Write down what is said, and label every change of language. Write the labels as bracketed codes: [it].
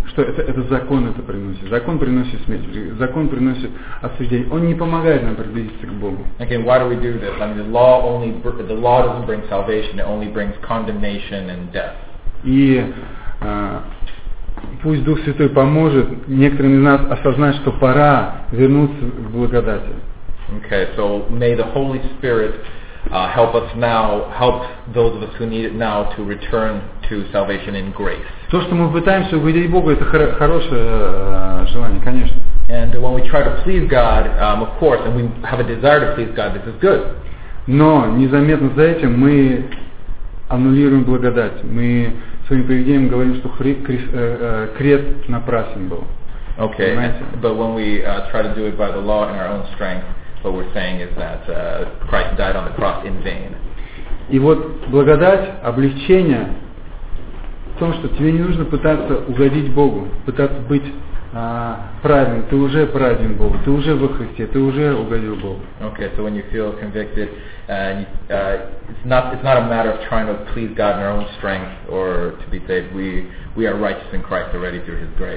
[ru] Что это закон это приносит? Закон приносит смерть. Закон приносит осуждение. Он не помогает нам приблизиться к Богу. [en] Okay, why do we do this? I mean, the law doesn't bring salvation. It only brings condemnation and death. [ru] Пусть Дух Святой поможет некоторым из нас осознать, что пора вернуться к благодати. [en] Okay, so may the Holy Spirit help us now, help those of us who need it now to return to salvation in grace. [ru] То, что мы пытаемся угодить Богу, это хорошее желание, конечно. [en] And when we try to please God, of course, and we have a desire to please God, this is good. [ru] Но незаметно за этим мы аннулируем благодать, мы своим поведением говорим, что крест напрасен был. [en] Okay, but when we try to do it by the law in our own strength, what we're saying is that Christ died on the cross in vain. [ru] И вот благодать, облегчение в том, что тебе не нужно пытаться угодить Богу, пытаться быть праведным. Ты уже праведен Бог, ты уже во Христе, ты уже угодил Богу. [en] Okay, so when you feel convicted, and it's not a matter of trying to please God in our own strength or to be saved. We are righteous in Christ already through His grace.